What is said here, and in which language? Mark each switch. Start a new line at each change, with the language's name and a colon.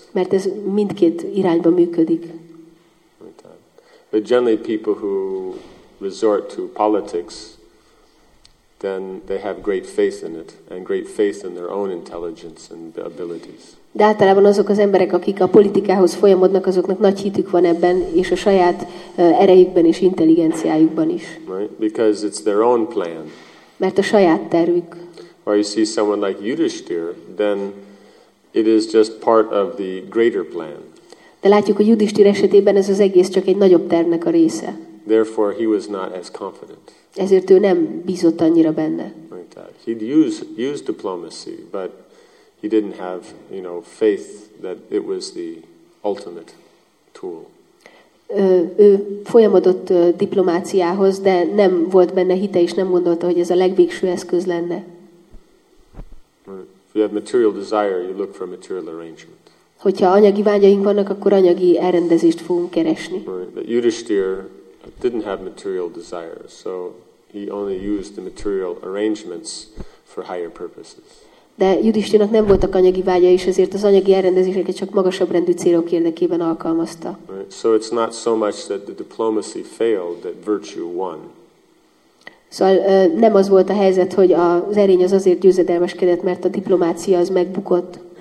Hungarian: Mert ez mindkét irányba működik.
English: But generally people who resort to politics, then they have great faith in it, and great faith in their own intelligence and abilities.
Hungarian: De általában azok az emberek, akik a politikához folyamodnak, azoknak nagy hitük van ebben, és a saját erejükben és intelligenciájukban is.
English: Right? Because it's their own plan.
Hungarian: Mert a saját tervük.
English: Or you see someone like Yudhishthira, then it is just part of the greater plan.
Hungarian: De látjuk, hogy Yudhishthir esetében ez az egész csak egy nagyobb tervnek a része.
English: Therefore he was not as confident.
Hungarian: Ezért ő nem bízott annyira benne.
English: Right. He'd use diplomacy, but he didn't have, you know, faith that it was the ultimate tool.
Hungarian: Ő folyamodott diplomáciához, de nem volt benne hite, és nem gondolta, hogy ez a legvégső eszköz lenne.
English: If you have material desire, you look for material arrangement.
Hungarian: Hogyha anyagi vágyaink vannak, akkor anyagi elrendezést fogunk keresni.
English: But Yudhishthir didn't have material desire, so he only used the material arrangements for higher purposes.
Hungarian: De Yudhishthirnak nem voltak anyagi vágya, és ezért az anyagi elrendezéseket csak magasabb rendű célok érdekében alkalmazta.
English: Right. So it's not so much that the diplomacy failed, that virtue won.
Hungarian: Szóval nem az volt a helyzet, hogy az erény az azért győzedelmeskedett, mert a diplomácia az megbukott.